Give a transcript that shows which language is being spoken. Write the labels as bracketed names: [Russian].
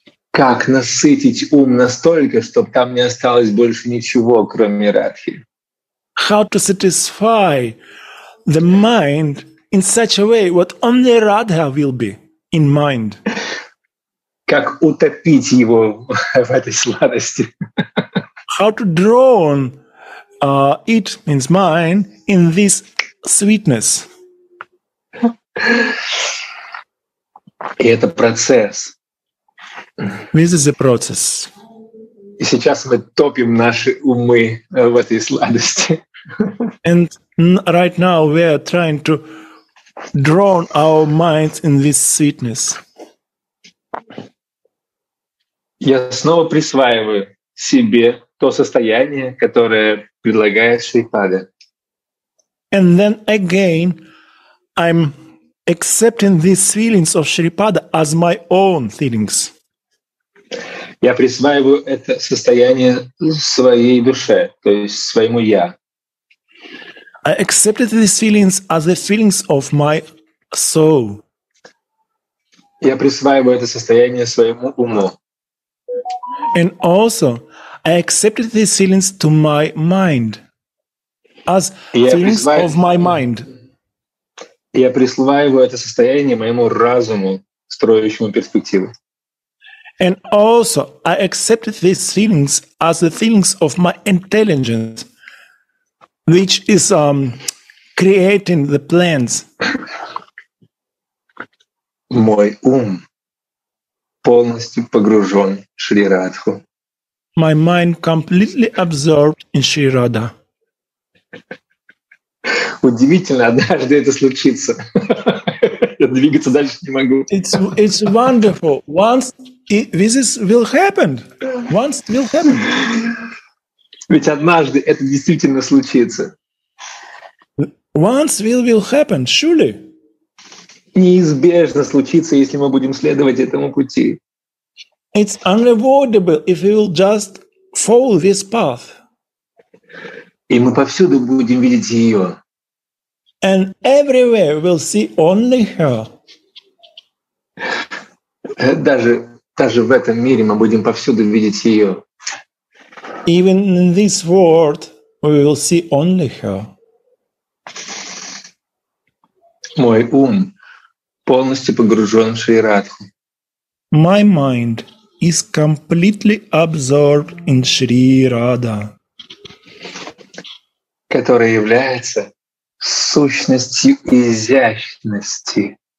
[Russian] Как насытить ум настолько, чтобы там не осталось больше ничего, кроме Радхи? [English] How to satisfy the mind in such a way, what only Radha will be in mind? [Russian] Как утопить его в этой сладости? [English] How to drown it, means mind, in this sweetness? [Russian] И это процесс. [English] This is a process. [Russian] И сейчас мы топим наши умы в этой сладости. [English] And right now we are trying to drown our minds in this sweetness. [Russian] Я снова присваиваю себе то состояние, которое предлагает Шрипада. [English] And then again I'm accepting these feelings of Шрипада as my own feelings. [Russian] Я присваиваю это состояние своей душе, то есть своему я. [English] I accepted these feelings as the feelings of my soul. [Russian] Я присваиваю это состояние своему уму. [English] And also, I accepted these feelings to my mind, as feelings of my mind. [Russian] Я присваиваю это состояние моему разуму, строящему перспективы. [English] And also, I accepted these feelings as the feelings of my intelligence, which is creating the plans. [Russian] Мой ум полностью погружен в Шри Радху. [English] My mind completely absorbed in Shri Radha. [Russian] Удивительно, однажды это случится. Я двигаться дальше не могу. [English] It's wonderful. Once this will happen. Once it will happen. [Russian] Ведь однажды это действительно случится. [English] Once will happen, surely. [Russian] Неизбежно случится, если мы будем следовать этому пути. [English] It's unavoidable if we will just follow this path. [Russian] И мы повсюду будем видеть ее. [English] And everywhere we'll see only her. [Russian] Даже в этом мире мы будем повсюду видеть ее. [English] Even in this world we will see only her. [Russian] Мой ум полностью погружен в Шри Радху. [English] My mind is completely absorbed in Shri Radha. [Russian] Которая является сущностью изящности.